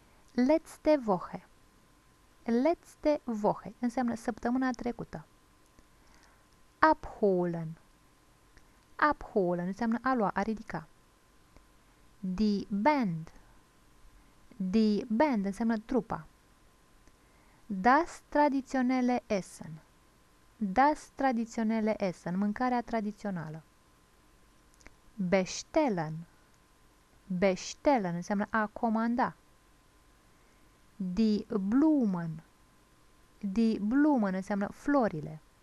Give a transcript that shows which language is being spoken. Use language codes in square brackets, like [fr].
[de] Letzte Woche. Letzte Woche [ro] înseamnă săptămâna trecută. [de] abholen. [ro] Abholen înseamnă a lua, a ridica. [de] Die Band. Die Band [ro] înseamnă trupa. [de] Das traditionelle Essen. Das traditionelle Essen, [ro] mâncarea tradițională. Bestellen. Bestellen înseamnă a comanda. [de] Die Blumen. Die Blumen [ro] înseamnă florile.